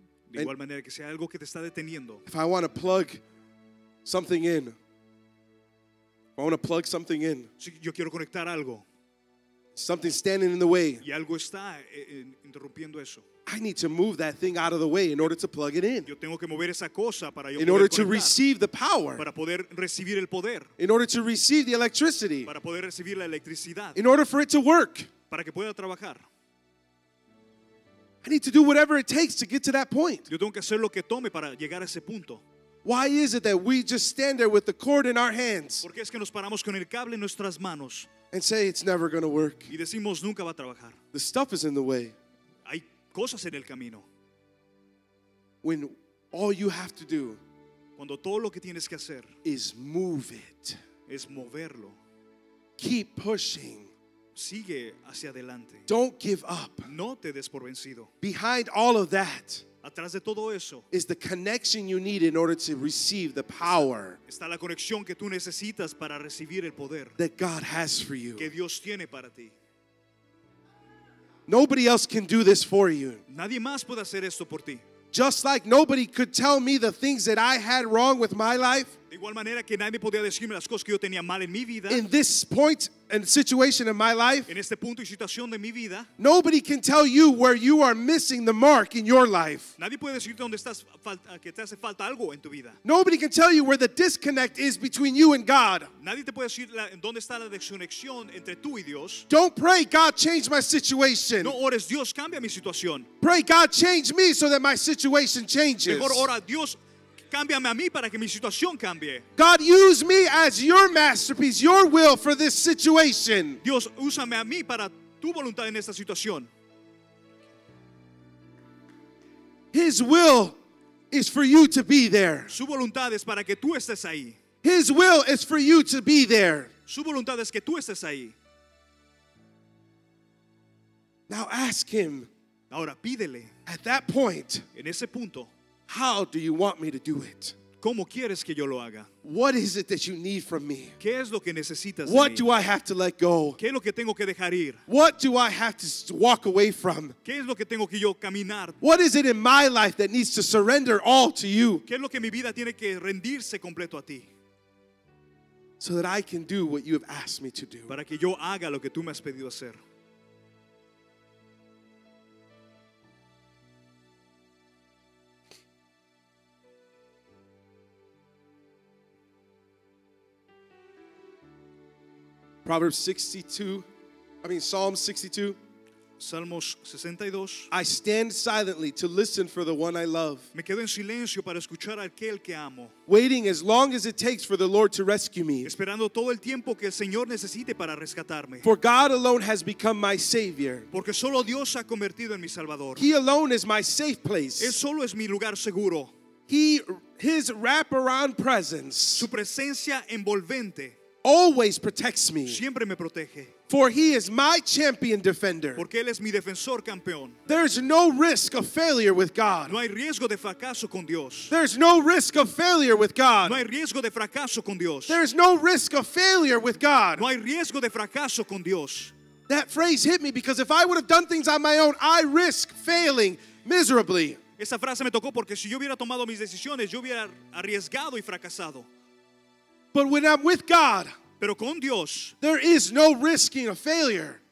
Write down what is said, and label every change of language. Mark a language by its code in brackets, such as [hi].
[es] De igual manera que sea algo que te está deteniendo. [en] If I want to plug something in. I want to plug something in. [es] Si yo quiero conectar algo. [en] Something standing in the way. [es] Y algo está interrumpiendo eso. [en] I need to move that thing out of the way in order to plug it in. [es] Yo tengo que mover esa cosa para yo poder conectar. [en] In order to receive the power. [es] Para poder recibir el poder. [en] In order to receive the electricity. [es] Para poder recibir la electricidad. [en] In order for it to work. [es] Para que pueda trabajar. [en] I need to do whatever it takes to get to that point. [es] Yo tengo que hacer lo que tome para llegar a ese punto. [en] Why is it that we just stand there with the cord in our hands? [es] Porque es que nos paramos con el cable en nuestras manos. [en] And say it's never going to work. [es] Y decimos nunca va a trabajar. [en] The stuff is in the way. [es] Hay cosas en el camino. [en] When all you have to do, [es] cuando todo lo que tienes que hacer, [en] is move it. [es] Es moverlo. [en] Keep pushing. [es] Sigue hacia adelante. [en] Don't give up. [es] No te des por vencido. [en] Behind all of that, [es] atrás de todo eso, [en] is the connection you need in order to receive the power. [es] Está la conexión que tú necesitas para recibir el poder [en] that God has for you. [es] Que Dios tiene para ti. [en] Nobody else can do this for you. [es] Nadie más puede hacer esto por ti. [en] Just like nobody could tell me the things that I had wrong with my life. [es] De igual manera que nadie podía decirme las cosas que yo tenía mal en mi vida. [en] In this point and situation in my life. [es] En este punto y situación de mi vida. [en] Nobody can tell you where you are missing the mark in your life. [es] Nadie puede decirte dónde estás que te hace falta algo en tu vida. [en] Nobody can tell you where the disconnect is between you and God. [es] Nadie te puede decir dónde está la desconexión entre tú y Dios. [en] Don't pray, God, change my situation. [es] No ores, Dios, cambia mi situación. [en] Pray, God, change me so that my situation changes. [es] Mejor ora, Dios, cámbiame a mí para que mi situación cambie. [en] God, use me as your masterpiece, your will for this situation. [es] Dios, úsame a mí para tu voluntad en esta situación. [en] His will is for you to be there. [es] Su voluntad es para que tú estés ahí. [en] His will is for you to be there. [es] Su voluntad es que tú estés ahí. [en] Now ask him. [es] Ahora pídele. [en] At that point. [es] En ese punto. [en] How do you want me to do it? [es] ¿Cómo quieres que yo lo haga? [en] What is it that you need from me? [es] ¿Qué es lo que necesitas de mí? [en] What [es] de [en] do I have to let go? [es] ¿Qué es lo que tengo que dejar ir? [en] What do I have to walk away from? [es] ¿Qué es lo que tengo que yo caminar? [en] What is it in my life that needs to surrender all to you? [es] ¿Qué es lo que mi vida tiene que rendirse completo a ti? [en] So that I can do what you have asked me to do. [es] Para que yo haga lo que tú me has pedido hacer. [en] Proverbs 62, I mean Psalm 62. [es] Salmos 62. [en] I stand silently to listen for the one I love. [es] Me quedo en silencio para escuchar a aquel que amo. [en] Waiting as long as it takes for the Lord to rescue me. [es] Esperando todo el tiempo que el Señor necesite para rescatarme. [en] For God alone has become my savior. [es] Porque solo Dios se ha convertido en mi salvador. [en] He alone is my safe place. [es] Él solo es mi lugar seguro. [en] His wraparound presence. [es] Su presencia envolvente. [en] Always protects me. [es] Siempre me protege. [en] For he is my champion defender. [es] Porque él es mi defensor campeón. [en] There's no risk of failure with God. [es] No hay riesgo de fracaso con Dios. [en] There's no risk of failure with God. [es] No hay riesgo de fracaso con Dios. [en] There's no risk of failure with God. [es] No hay riesgo de fracaso con Dios. [en] That phrase hit me because if I would have done things on my own, I risk failing miserably. [es] Esa frase me tocó porque si yo hubiera tomado mis decisiones, yo hubiera arriesgado y fracasado. [en] But when I'm with God, [es] pero con Dios, [en] there is no risking a failure.